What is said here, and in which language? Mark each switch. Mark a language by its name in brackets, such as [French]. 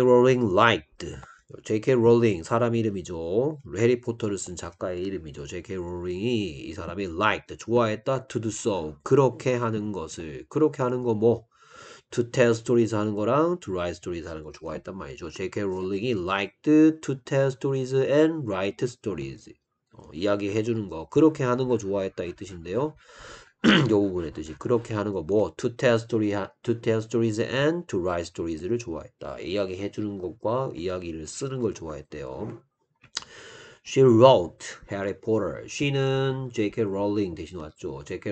[English] Rowling liked. [Korean] J.K. Rowling 사람 이름이죠. 해리포터를 쓴 작가의 이름이죠. J.K. Rowling이 이 사람이 liked, 좋아했다. [English] To do so, [Korean] 그렇게 하는 것을. 그렇게 하는 거 뭐? [English] To tell stories [Korean] 하는 거랑 [English] to write stories [Korean] 하는 거 좋아했단 말이죠. J.K. [English] Rowling이 liked to tell stories and write stories. [Korean] 이야기 해주는 거, 그렇게 하는 거 좋아했다 이 뜻인데요. 이 부분의 뜻이 그렇게 하는 거, 뭐 [English] to tell stories and to write stories [Korean] 를 좋아했다. 이야기 해주는 것과 이야기를 쓰는 걸 좋아했대요. [English] She wrote Harry Potter. She는 J.K. Rowling [Korean] 대신 왔죠. [English] J.K.